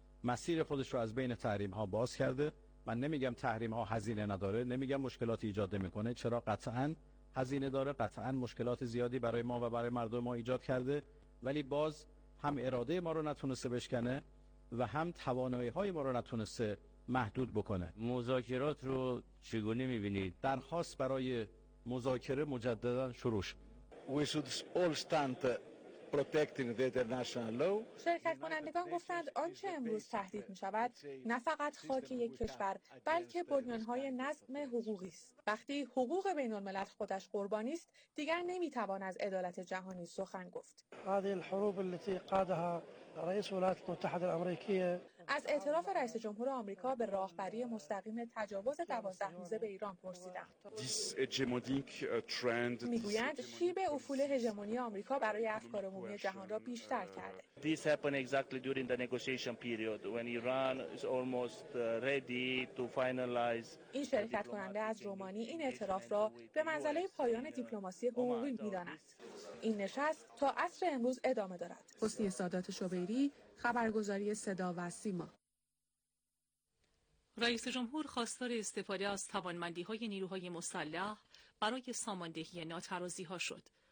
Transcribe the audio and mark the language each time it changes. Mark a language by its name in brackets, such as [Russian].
[Persian] مسیر خودش رو از بین تحریم‌ها باز کرده. من نمیگم تحریم‌ها هزینه نداره، نمیگم مشکلات ایجاد نمی‌کنه، چرا قطعاً هزینه داره، قطعاً مشکلات زیادی برای ما و برای مردم ما ایجاد کرده، ولی باز هم اراده ما رو نتونسته بشکنه و هم توانایی‌های ما رو نتونسته محدود بکنه. مذاکرات رو چگونه می‌بینید؟ درخواست برای مذاکره مجددا شروع شد. [English] We should all stand protecting the international law. [Persian] شرکت کنندگان گفتند آنچه امروز تهدید می‌شود نه فقط خاک یک کشور، بلکه بنیان‌های نظم حقوقی است. وقتی حقوق بین‌الملل خودش قربانی است، دیگر نمی‌توان از عدالت جهانی سخن گفت. [Arabic] هذه الحروب التي قادها رئیس الولایات المتحده الامریکيه. [Persian] از اعتراف رئیس جمهور آمریکا به راهبری مستقیم تجاوز 12 روزه به ایران پرسیدند. میگویند شیب افول هژمونی آمریکا برای افکار عمومی جهان را بیشتر کرده. [English] This happened exactly during the negotiation period when Iran is almost ready to finalize. [Persian] این شرکت کننده از رومانی این اعتراف را به منزله پایان دیپلماسی حقوقی می‌داند. این نشست تا عصر امروز ادامه دارد. حسنی سادات شوبری، خبرگزاری صدا و سیما. رئیس جمهور خواستار استفاده از توانمندی‌های نیروهای مسلح برای ساماندهی ناترازی‌ها شد.